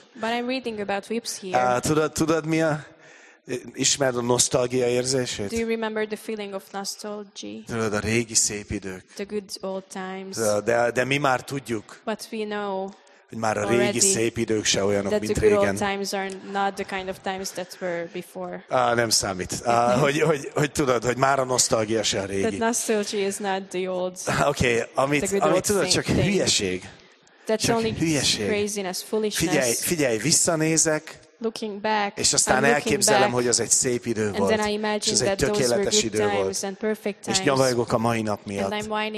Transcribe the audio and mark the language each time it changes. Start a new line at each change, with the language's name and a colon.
English: But I'm reading about whips here.
Hungarian: Tudod mi a... Ismered a nosztalgia érzését?
English: Do you remember the feeling of nostalgia?
Hungarian: Tudod, a régi szép idők.
English: The good old times.
Hungarian: De mi már tudjuk.
English: But we know.
Hungarian: hogy már a régi szép idők se olyanok, mint régen.
English: Times are not the kind of times that were before.
Hungarian: Nem számít. Hogy tudod, hogy már a nosztalgia se a régi.
English: That nostalgia is not the old.
Hungarian: Okay, amit tudod, csak
English: thing.
Hungarian: Hülyeség.
English: That's
Hungarian: csak
English: only
Hungarian: hülyeség.
English: Craziness, foolishness.
Hungarian: Figyelj, visszanézek.
English: Looking back,
Hungarian: és aztán elképzelem, hogy az egy szép idő volt, és ez egy tökéletes idő volt, és nyavajgok a mai nap miatt.